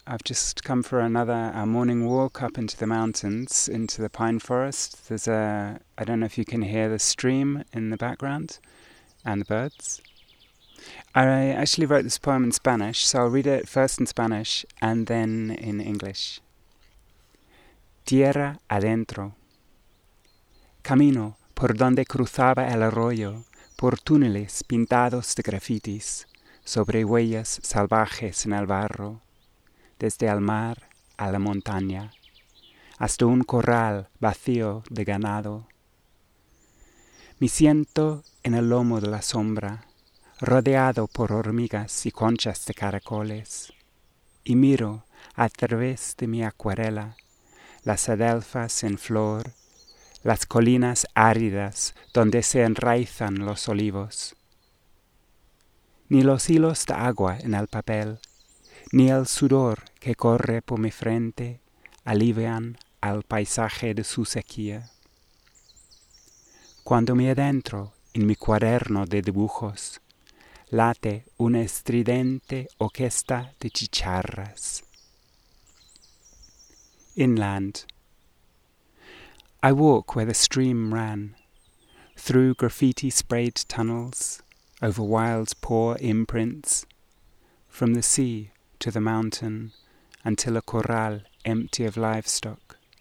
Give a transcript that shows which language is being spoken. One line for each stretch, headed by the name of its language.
English: I've just come for a morning walk up into the mountains, into the pine forest. There's I don't know if you can hear the stream in the background and the birds. I actually wrote this poem in Spanish, so I'll read it first in Spanish and then in English.
Spanish: Tierra adentro. Camino por donde cruzaba el arroyo, por túneles pintados de grafitis, sobre huellas salvajes en el barro, desde el mar a la montaña, hasta un corral vacío de ganado. Me siento en el lomo de la sombra, rodeado por hormigas y conchas de caracoles, y miro a través de mi acuarela las adelfas en flor, las colinas áridas donde se enraizan los olivos. Ni los hilos de agua en el papel, ni el sudor que corre por mi frente alivian al paisaje de su sequía. Cuando me adentro en mi cuaderno de dibujos, late una estridente orquesta de chicharras.
English: Inland. I walk where the stream ran, through graffiti-sprayed tunnels, over wild paw imprints, from the sea to the mountain, until a corral empty of livestock.